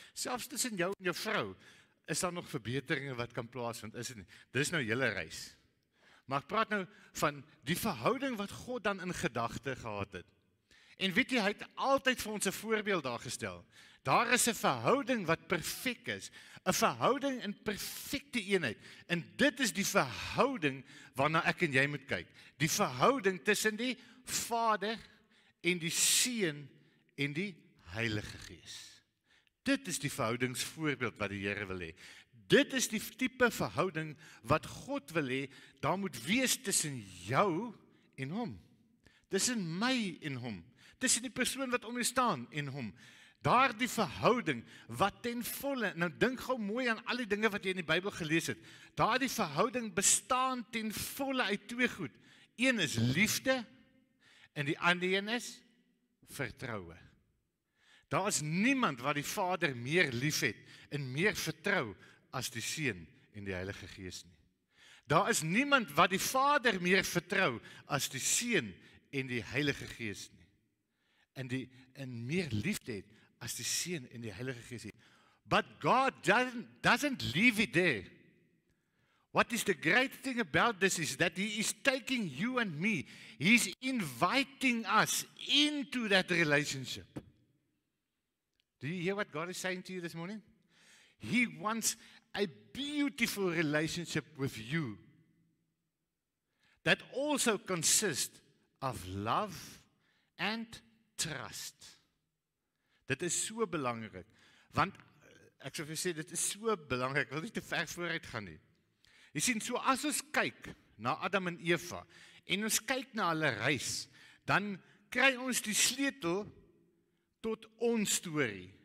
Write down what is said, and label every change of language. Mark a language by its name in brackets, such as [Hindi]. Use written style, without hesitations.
[Afrikaans] Selfs tussen jou en jou vrou, is daar nog verbeteringen wat kan plaasvind, is dit nie. Dit is nou julle reis. Maar ek praat nou van die verhouding wat God dan in gedachte gehad het. En weet jy, hy het altyd vir ons een voorbeeld daar gestel. Daar is een verhouding wat perfect is. Een verhouding in perfecte eenheid. En dit is die verhouding waarna ek en jy moet kyk. Die verhouding tussen die Vader en die Seun en die Heilige Gees. Dit is die verhoudingsvoorbeeld wat die Here wil hê. Dit is die type verhouding wat God wil hê, daar moet wees tussen jou en hom. Tussen my en hom. Tussen die persoon wat om jou staan en hom. Daar die verhouding wat ten volle, nou dink gou mooi aan al die dinge wat jy in die Bybel gelees het. Daar die verhouding bestaan ten volle uit twee goed. Een is liefde en die ander een is vertroue. Daar is niemand wat die Vader meer lief het en meer vertrou as die Seun en die Heilige Gees nie. Daar is niemand wat die Vader meer vertrou as die Seun en die Heilige Gees nie. En meer liefde het as die Seun en die Heilige Gees nie. [English] But God doesn't leave it there. What is the great thing about this is that he is taking you and me. He's inviting us into that relationship. Do you hear what God is saying to you this morning? He wants a beautiful relationship with you that also consists of love and trust. [Afrikaans] Dit is so belangrik, want ek sal vir sê, dit is so belangrik, ek wil nie te ver vooruit gaan nie. Jy sien, so as ons kyk na Adam en Eva, en ons kyk na hulle reis, dan kry ons die sleutel tot ons story.